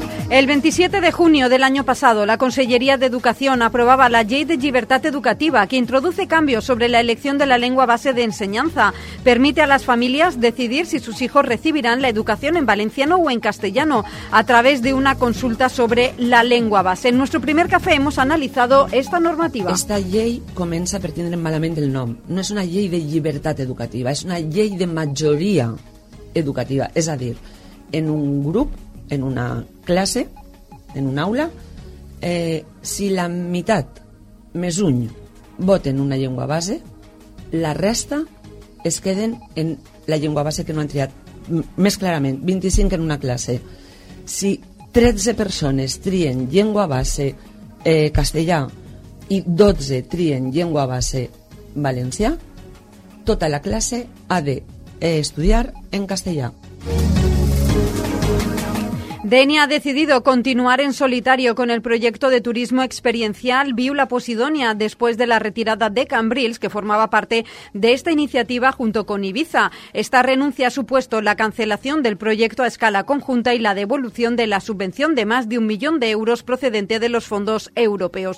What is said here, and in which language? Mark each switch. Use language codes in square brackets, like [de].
[es] El 27 de junio del año pasado, la Conselleria d'Educació aprobava la Llei de Llibertat Educativa, que introduce cambios sobre la elección de la lengua base de enseñanza. Permite a las familias decidir si sus hijos recibirán la educación en valenciano o en castellano a través de una consulta sobre la lengua base. En nuestro primer café hemos analizado esta normativa. [ca] Esta llei comença per tindre malament el nom. No és una llei de llibertat educativa, és una llei de majoria educativa. És a dir, en un grup, en una classe, en un aula, si la meitat més un voten una llengua base, la resta es queden en la llengua base que no han triat. Més clarament, 25 en una classe. Si 13 persones trien llengua base castellà i 12 trien llengua base valencià, tota la classe ha de estudiar en castellà. [es] Denia ha decidido continuar en solitario con el proyecto de turismo experiencial Viula Posidonia después de la retirada de Cambrils, que formaba parte de esta iniciativa junto con Ibiza. Esta renuncia ha supuesto la cancelación del proyecto a escala conjunta y la devolución de la subvención de más de 1 millón de euros procedente de los fondos europeos.